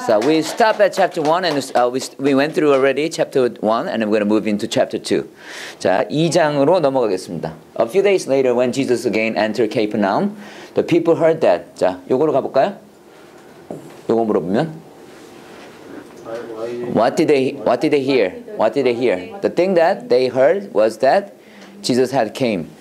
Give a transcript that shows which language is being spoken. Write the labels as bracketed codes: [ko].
[en] So we stopped at chapter 1 and we went through already chapter 1 and we're going to move into chapter 2. [ko] 자, 2장으로 넘어가겠습니다. [en] A few days later when Jesus again entered Capernaum, the people heard that. [ko] 자, 요거로 가볼까요? 요거 물어보면. [en] What did they hear? The thing that they heard was that Jesus had came.